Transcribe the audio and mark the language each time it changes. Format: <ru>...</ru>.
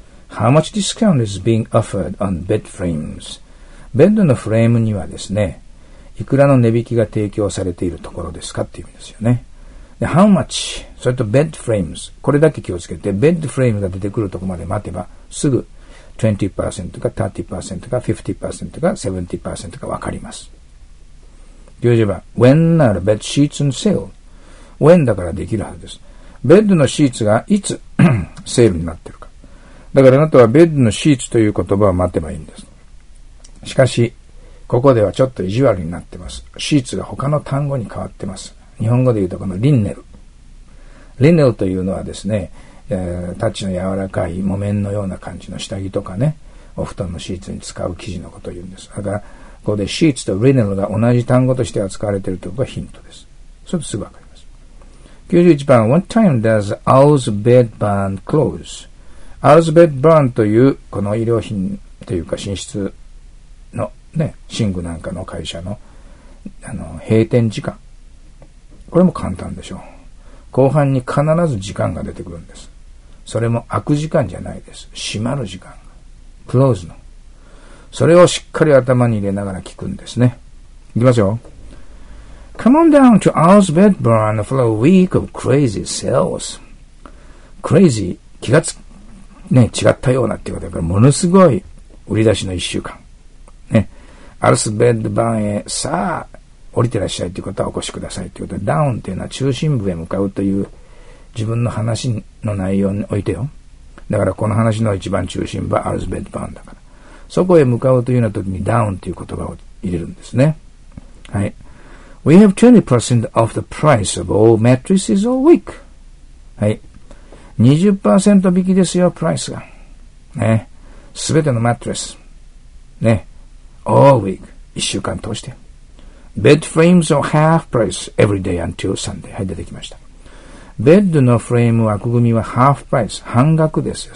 <en>How much discount is being offered on bed frames?</en> <ja>ベッドのフレームにはですね、いくらの値引きが提供されているところですかっていう意味ですよね。で、How much? それと bed frames。これだけ気をつけて、bed frame が出てくるところまで待てば、すぐ 20% か 30% か 50% か 70% かわかります。</ja> <en>90番、When are bed sheets on sale? When</en> <ja>だからできるはずです。ベッドのシーツがいつセールになってるか。だからあなたはベッドのシーツという言葉を待てばいいんです。しかし、ここではちょっと意地悪になってます。シーツが他の単語に変わってます。日本語で言うとこのリンネル。リンネルというのはですね、タッチの柔らかい木綿のような感じの下着とかね、お布団のシーツに使う生地のことを言うんです。だから、ここでシーツとリンネルが同じ単語として扱われているところがヒントです。それとすぐわかる。</ja> <en>91番、What time does Owl's Bed Barn close?</en> <ja>Owl's Bed Barn という、この医療品というか寝室のね、寝具なんかの会社の、閉店時間。これも簡単でしょう。後半に必ず時間が出てくるんです。それも開く時間じゃないです。閉まる時間。クローズの。それをしっかり頭に入れながら聞くんですね。いきますよ。</ja> <en>Come on down to Al's Bedburn for a week of crazy sales.</en> <ja>Crazy, 気がつ、ね、違ったようなっていうことだから、ものすごい売り出しの一週間。ね。 Al's Bedburn へ、さあ、降りてらっしゃいということはお越しくださいということで、down っていうのは中心部へ向かうという自分の話の内容においてよ。だからこの話の一番中心部は Al's Bedburn だから。そこへ向かうというような時に down という言葉を入れるんですね。はい。</ja> <en>We have 20% of the price of all mattresses a week.</en> <ja>はい。 20% 引きですよ、プライスが。ね。すべてのマットレス。ね。all week. 一週間通して。</ja> <en>bed frames are half price every day until Sunday.</en> <ja>はい、出てきました。ベッドのフレーム枠組みは half price。半額ですよ。</ja>